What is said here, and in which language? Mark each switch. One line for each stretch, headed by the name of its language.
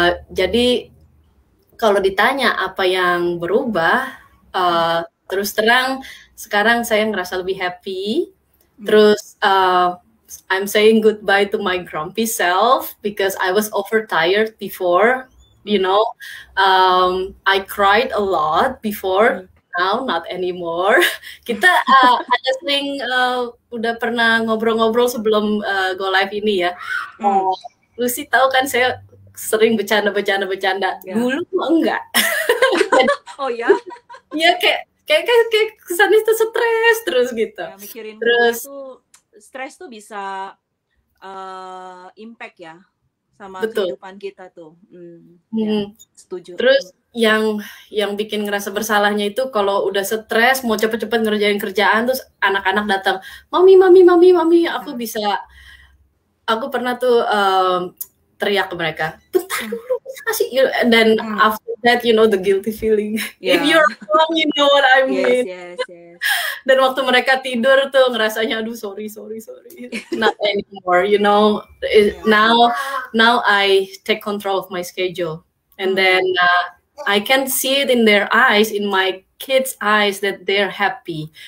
Indonesian: Jadi kalau ditanya apa yang berubah, terus terang sekarang saya ngerasa lebih happy. Terus
English: I'm saying goodbye to my grumpy self because I was overtired before, you know. I cried a lot before, now not anymore.
Indonesian: Kita ada sering udah pernah ngobrol-ngobrol sebelum go live ini ya. Lucy tahu kan saya sering bercanda. Dulu enggak. Oh ya? Ya kayak kesannya itu stres terus gitu. Ya, mikirin terus. Stres tuh bisa impact ya sama kehidupan kita tuh. Setuju. Terus yang bikin ngerasa bersalahnya itu kalau udah stres mau cepet-cepet ngerjain kerjaan, terus anak-anak datang, mami, aku bisa. Aku pernah tuh teriak ke mereka, bentar dulu, kasih.
English: And then after that, you know the guilty feeling. Yeah. If you're wrong, you know what I mean. Yes.
Indonesian: Dan waktu mereka tidur tuh ngerasanya, aduh sorry.
English: Not anymore, you know. Now I take control of my schedule. And then I can see it in their eyes, in my kids' eyes, that they're happy.